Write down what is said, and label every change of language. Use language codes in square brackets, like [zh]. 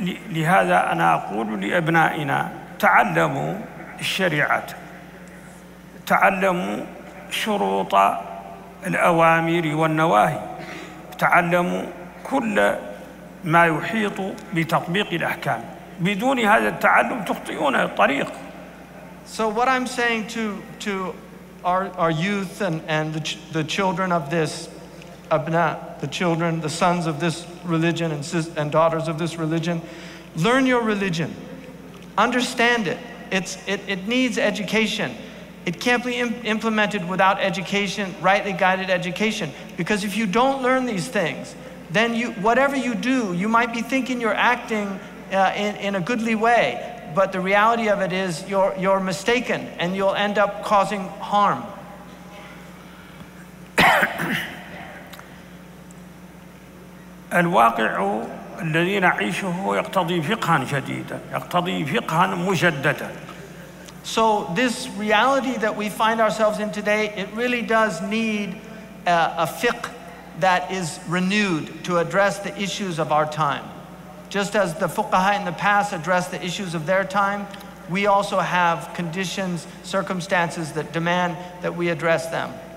[ar] لهذا أنا أقول لأبنائنا تعلموا الشريعة تعلموا شروط الأوامر والنواهي تعلموا كل ما يحيط بتطبيق الأحكام بدون هذا التعلم تخطئون الطريق. [en] So what I'm saying to our youth and the children of this abna, the children, the sons of this religion and daughters of this religion, learn your religion, understand it. It needs education. It can't be implemented without education, rightly guided education. Because if you don't learn these things, then you, whatever you do, you might be thinking you're acting in a goodly way, but the reality of it is you're mistaken and you'll end up causing harm. [ar] الواقع الذي نعيشه يقتضي فقها جديدا يقتضي فقها مجددا. [en] So this reality that we find ourselves in today, it really does need a fiqh that is renewed to address the issues of our time. Just as the fuqaha in the past addressed the issues of their time, we also have conditions, circumstances that demand that we address them.